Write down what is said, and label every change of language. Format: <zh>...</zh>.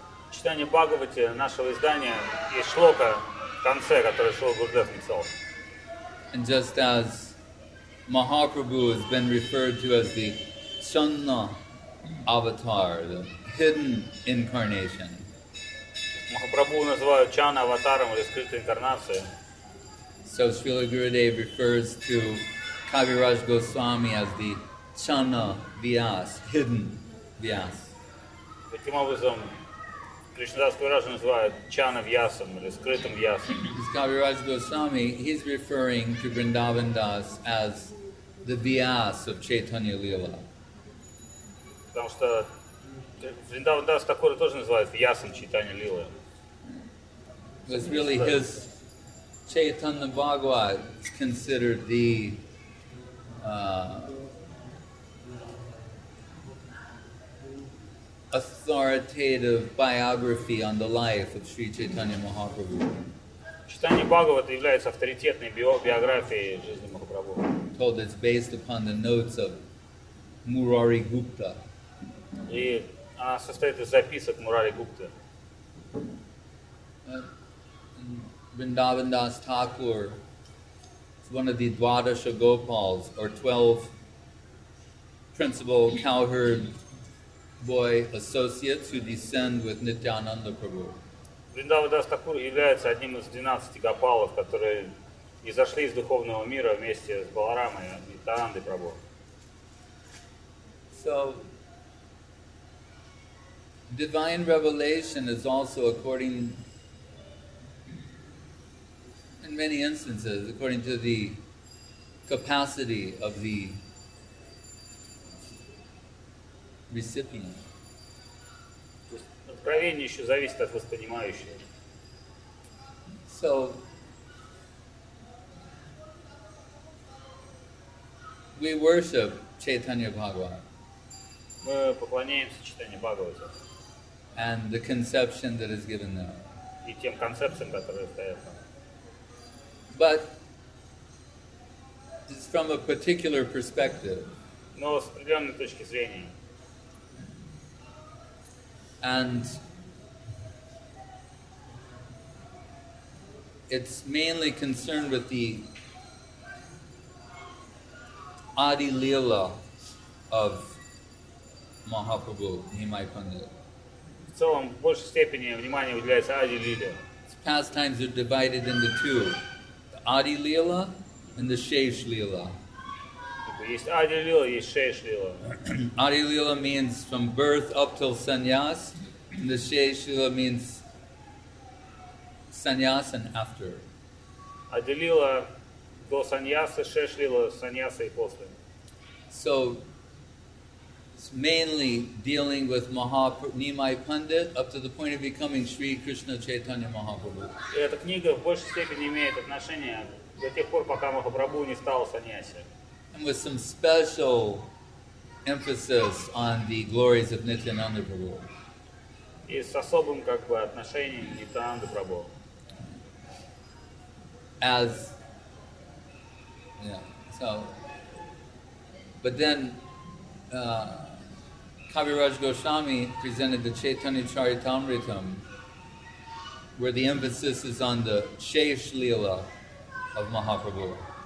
<ru>Chaitanya Bhagavat нашего издания есть шлока в конце, который Srila Gurudev написал.</ru> <en>And just as Mahaprabhu has been referred to as the Channa avatar, the hidden incarnation.</en> <ru>Mahaprabhu называют Channa аватаром или скрытой инкарнацией.</ru> <en>So Srila Gurudev refers to Kaviraj Goswami as the Channa Vyas, hidden Vyas.</en> <ru>Таким образом, Кришнадас Кавираж называют Channa Vyasam, или скрытым Vyasam.</ru> <en>Because Kaviraj Goswami, he's referring to Vrindavan Das as the Vyas of Chaitanya Lila.</en> <ru>Потому что Vrindavan Das Thakura тоже называют Vyasam Chaitanya Lila.</ru> <en>It's really his... Chaitanya Bhagavat is considered the authoritative biography on the life of Sri Chaitanya Mahaprabhu.</en> <ru>Chaitanya Bhagavat является авторитетной биографией жизни Махапрабху.</ru> <en>Told it's based upon the notes of Murari Gupta.</en> <ru>И она состоит из записок Мурари Гупты.</ru> <en>Vrindavan Das Thakur is one of the Dvadasha Gopals, or 12 principal cowherd boy associates who descend with Nityananda Prabhu.</en> <ru>Vrindavan Das Thakur является одним из 12 гопалов, которые изошли из духовного мира вместе с Баларамой и Нитянандой Прабху.</ru> <en>So, divine revelation is also according in many instances, according to the capacity of the recipient.</en> <ru>Откровение еще зависит от воспринимающего.</ru> <en>So, we worship Chaitanya Bhagavat.</en> <ru>Мы поклоняемся Чайтанья Бхагавате.</ru> <en>And the conception that is given there.</en> <ru>И тем концепциям, которые стоят там.</ru> <en>But it's from a particular perspective.</en> <ru>Но с определенной точки зрения.</ru> <en>And it's mainly concerned with the Adi Lila of Mahaprabhu, Nimai Pandit.</en> <ru>В целом, в большей степени внимание уделяется Adi Lila.</ru> <en>Its pastimes are divided into two. Adi Lila and the Shesh Lila. Adi Lila, Shesh Lila. Adi Lila means from birth up till sannyas, and the Shesh Lila means sannyas and after.</en> <ru>Adi Lila до sannyasa, Shesh Lila sannyasa и после.</ru> <en>So it's mainly dealing with Nimai Pandit up to the point of becoming Sri Krishna Chaitanya Mahaprabhu.</en> <ru>Эта книга в большей степени имеет отношение до тех пор, пока Махапрабху не стал саньяси.</ru> <en>And with some special emphasis on the glories of Nityananda Prabhu.</en> <ru>И с особым как бы отношением к Нитянанде Прабху.</ru> <en>As, yeah, so, but then, Kaviraj Goswami presented the Chaitanya Charitamritam where the emphasis is on the Shesh Lila of Mahaprabhu.</en>